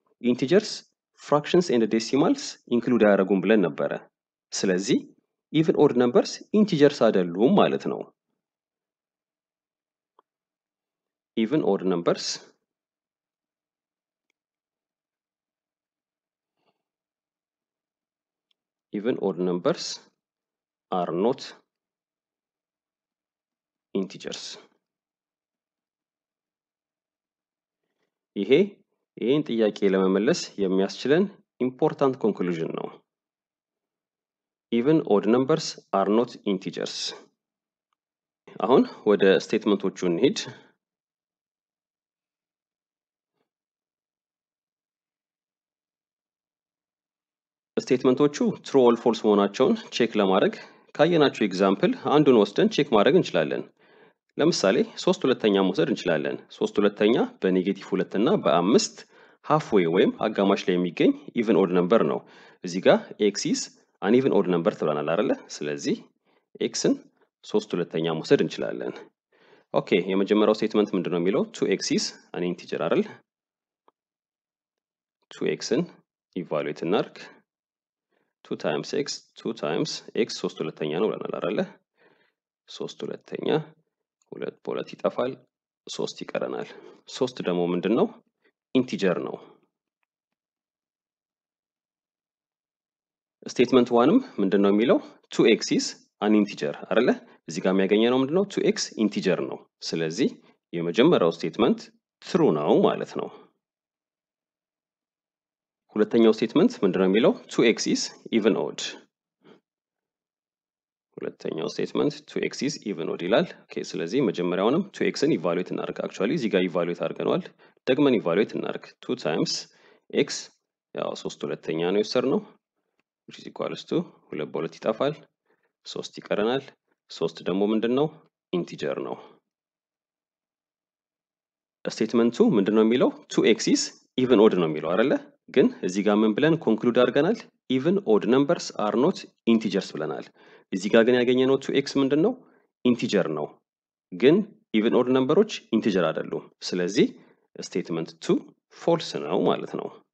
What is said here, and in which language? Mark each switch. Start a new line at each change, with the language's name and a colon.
English: ኢንቲጀርስ ፍራክሽንስ ኤንድ ዴሲማልስ
Amharic: ኢንክሉድ ያደረጉን ብለን ነበረ። ስለዚህ ኢቭን ኦድ ነምበርስ ኢንቲጀርስ አይደሉም ማለት ነው። ኢቭን ኦድ ነምበርስ
English: even odd numbers are not integers.
Amharic: ይሄ ይህን ጥያቄ ለመመለስ የሚያስችለን important conclusion ነው።
English: even odd numbers are not integers.
Amharic: አሁን ወደ statementዎቹ እንሂድ። ስቴትመንቶቹ ትሩ ኦር ፎልስ መሆናቸውን ቼክ ለማድረግ ካየናቸው ኤግዛምፕል አንዱን ወስደን ቼክ ማድረግ እንችላለን። ለምሳሌ 3 ሁለተኛ መውሰድ እንችላለን። 3 ሁለተኛ በኔጌቲቭ 2 እና በ5 ሃፍ ዌይ ወይም አጋማሽ ላይ የሚገኝ ኢቭን ኦድ ነምበር ነው። እዚህ ጋር
English: ኤክሲስ አን ኢቭን ኦድ ነምበር
Amharic: ትብለናል አይደለ? ስለዚህ ኤክስን 3 ሁለተኛ መውሰድ እንችላለን። ኦኬ፣ የመጀመሪያው ስቴትመንት ምንድን ነው የሚለው?
English: 2x is an integer አይደል?
Amharic: 2x-ን ኢቫሉዌት እናድርግ። 2 times x 2 times x 3 ሁለተኛ ነው ብለናል አይደለ? 3 ሁለተኛ 2 በ2 ይጠፋል 3 ይቀረናል። 3 ደግሞ ምንድነው? ኢንቲጀር ነው። ስቴትመንት 1ም ምንድነው የሚለው?
English: 2x is an integer አይደለ?
Amharic: እዚህ ጋር የሚያገኘነው ምንድነው? 2x ኢንቲጀር ነው። ስለዚህ የመጀመሪያው ስቴትመንት ትሩ ነው ማለት ነው። ሁለተኛው ስቴትመንት ምንድነው የሚለው?
English: 2x is even odd።
Amharic: ሁለተኛው ስቴትመንት 2x is even odd ይላል። ኦኬ፣ ስለዚህ መጀመሪያውንም 2x-ን ኢቫሉዌት እናርግ። አክቹአሊ እዚህ ጋር ኢቫሉዌት አድርገናል፣ ደግመን ኢቫሉዌት እናርግ። 2 times x ያው 3 ሁለተኛ ነው የወሰድነው
English: which is equals to
Amharic: 2 በ2 ይጠፋል 3 ይቀረናል። 3 ደግሞ ምንድነው? ኢንቲጀር ነው። ስቴትመንቱ ምንድነው የሚለው?
English: 2x is even odd ነው የሚለው አይደለ?
Amharic: ግን እዚህ ጋር ምን ብለን ኮንክሉድ አድርገናል?
English: ኢቭን ኦድ ነምበርስ አር ኖት ኢንቲጀርስ
Amharic: ብለናል። እዚህ ጋር ግን ያገኘነው 2x ምንድን ነው? ኢንቲጀር ነው። ግን ኢቭን ኦድ ነምበሮች ኢንቲጀር አይደሉም። ስለዚህ ስቴትመንት 2 ፎልስ ነው ማለት ነው።